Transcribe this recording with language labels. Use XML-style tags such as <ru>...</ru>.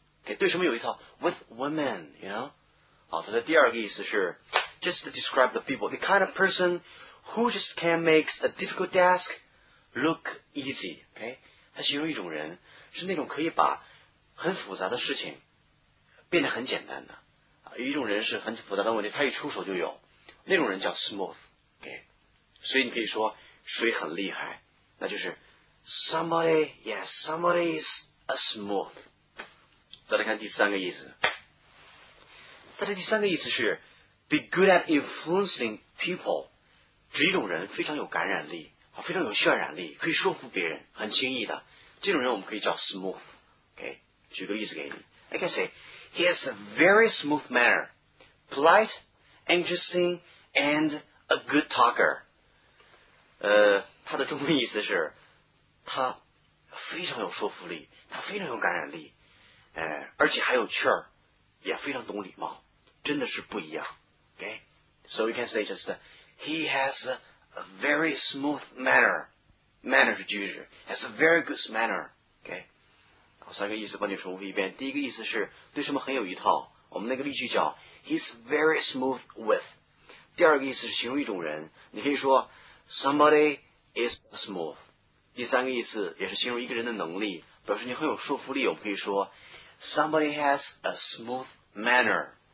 <en>okay,</en> <zh>对什么有一套,</zh> <en>with women, you know?</en> <zh>好,他的第二个意思是,</zh> <en>just to describe the people, the kind of person who just can make a difficult task look easy, okay?</en> <zh>他形容一种人,是那种可以把很复杂的事情变得很简单的,一种人是很复杂的问题,他一出手就有,那种人叫smooth, okay? 所以你可以说, 谁很厉害? 那就是</zh> <en>somebody, yeah, somebody is a smooth.</en> <zh>再来看第三个意思。再来第三个意思是</zh> <en>be good at influencing people.</en> <zh>这种人非常有感染力，非常有渲染力，可以说服别人，很轻易的。这种人我们可以叫 smooth. Okay, 举个例子给你。</zh> <en>I can say, he has a very smooth manner, polite, interesting, and a good talker.</en> <zh>他的中文意思是他非常有说服力，他非常有感染力，而且还有趣儿，也非常懂礼貌，真的是不一样。</zh> <en>Okay? So you can say just, he has a very smooth manner. Manner</en> <zh>是句式，</zh> <en>has a very good manner. Okay?</en> <zh>好，三个意思帮你重复一遍。第一个意思是对什么很有一套，我们那个例句叫</zh> <en>he's very smooth with.</en> <zh>第二个意思是形容一种人，你可以说</zh> <en>somebody is smooth.</en> <zh>第三个意思也是形容一个人的能力，表示你很有说服力，我们可以说</zh> <en>Somebody has a smooth manner.</en>